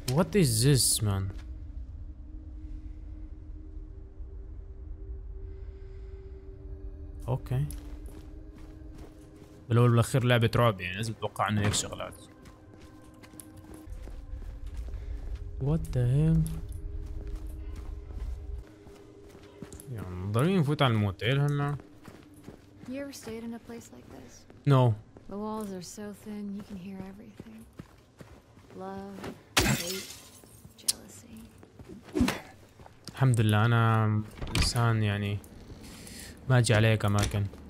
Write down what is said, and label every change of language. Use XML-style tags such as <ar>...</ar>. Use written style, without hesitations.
<en>What is this man?</en> <ar>اوكي، بالاول والاخير لعبه رعب يعني لازم تتوقع انه هيك شغلات.</ar> <en>What the hell?</en> <ar>يعني ضروري نفوت على الموتيل هلا؟</ar> <en>You ever stayed in a place like this? No. The walls are so thin, you can hear everything. Love, hate, jealousy.</en> <ar>الحمد لله انا انسان يعني ما اجي عليك اماكن.</ar>